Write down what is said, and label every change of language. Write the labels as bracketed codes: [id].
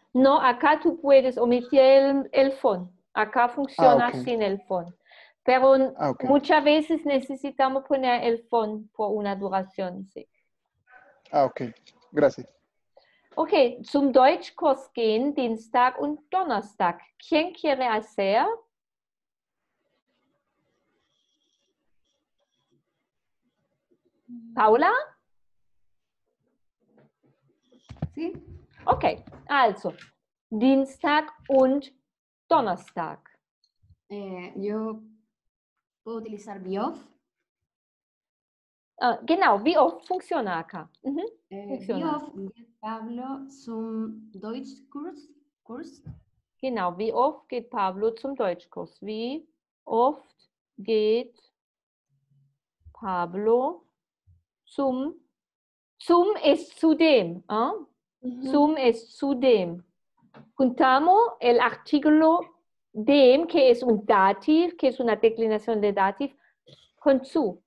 [es] No, acá tú puedes omitir el von. Acá funciona sin el von. Pero muchas veces necesitamos poner el von por una duración. Sí. Ah, ok. Gracias. [de] Ok, zum Deutschkurs gehen, Dienstag und Donnerstag. [es] ¿Quién quiere hacer? Paula? Sí. [de] Okay, also, Dienstag und Donnerstag. [es] Yo puedo utilizar [de] wie oft? Genau, wie oft [es] funciona acá? [de] Mhm. [es] Funciona. [de] Wie oft geht Pablo zum Deutschkurs? Genau, wie oft geht Pablo zum Deutschkurs? Wie oft geht Pablo zum ist zudem, ¿eh? Uh-huh. Zum ist zudem. [es] Juntamos el artículo dem, que es un dativ, que es una declinación de dativ, con zu.